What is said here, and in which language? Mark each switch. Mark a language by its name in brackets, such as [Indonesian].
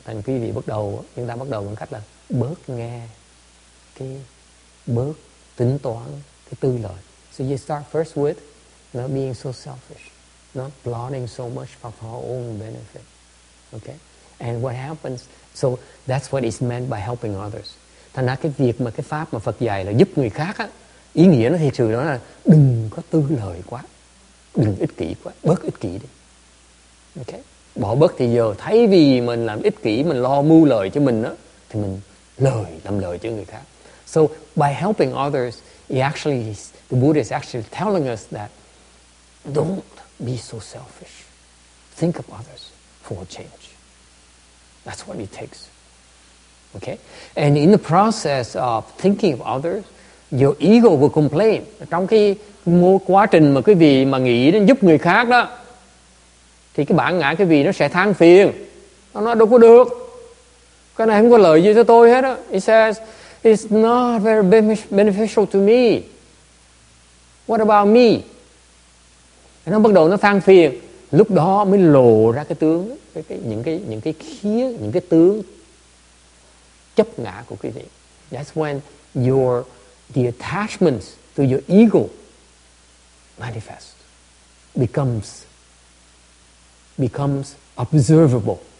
[Vietnamese] Thành quý vị bắt đầu, chúng ta bắt đầu bằng cách là bớt nghe, cái bớt tính toán cái tư lợi. [English] So you start first with not being so selfish, not plotting so much for our own benefit. Okay? And what happens, so that's what is meant by helping others. [Vietnamese] Thành ra cái việc mà cái pháp mà Phật dạy là giúp người khác á, ý nghĩa nó thiệt sự đó là đừng có tư lợi quá, đừng ích kỷ quá, bớt ích kỷ đi. [English] Okay? [Vietnamese] Bỏ bớt thì giờ, thay vì mình làm ích kỷ, mình lo mưu lợi cho mình đó, thì mình lợi, làm lợi cho người khác. [English] So by helping others, the Buddha is actually telling us that don't be so selfish. Think of others for change. That's what it takes. Okay? And in the process of thinking of others, your ego will complain. [Vietnamese] Trong cái quá trình mà quý vị mà nghĩ đến giúp người khác đó, thì cái bản ngã cái vị nó sẽ than phiền. Nó nói đâu có được, cái này không có lợi gì cho tôi hết á. [English] It says, it's not very beneficial to me. What about me? [Vietnamese] Thì nó bắt đầu nó than phiền. Lúc đó mới lộ ra cái tướng, những cái tướng chấp ngã của cái vị. [English] That's when the attachments to your ego manifest, becomes observable.